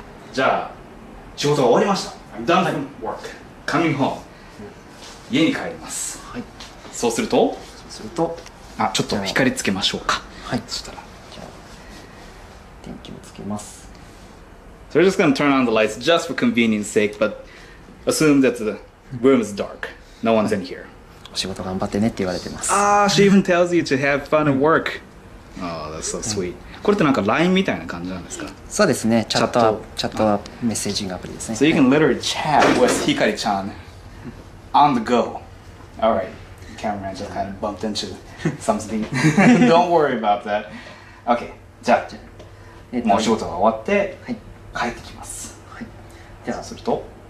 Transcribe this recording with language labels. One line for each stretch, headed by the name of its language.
Japanese: じゃあ、仕事が終わりました。
English: I'm done from work. Coming home.
Japanese: 家に帰ります。はい。そうすると、そうすると、あ、ちょっと光つけましょうか。はい。そしたら、じゃあ、電気をつけます。
English: So we're just gonna turn on the lights just for convenience sake, but assume that the room is dark. No one's in here.
Japanese: お仕事頑張ってねって言われてます。
English: Ah, she even tells you to have fun at work. Oh, that's so sweet.
Japanese: これってなんか LINE みたいな感じなんですか？そうですね、チャットはメッセージングアプリですね。
English: So you can literally chat with Hikari-chan on the go. Alright, the cameraman just kind of bumped into something. Don't worry about that. Okay,
Japanese: じゃあ、もう仕事が終わって、はい、帰ってきます。はい、じゃあすると、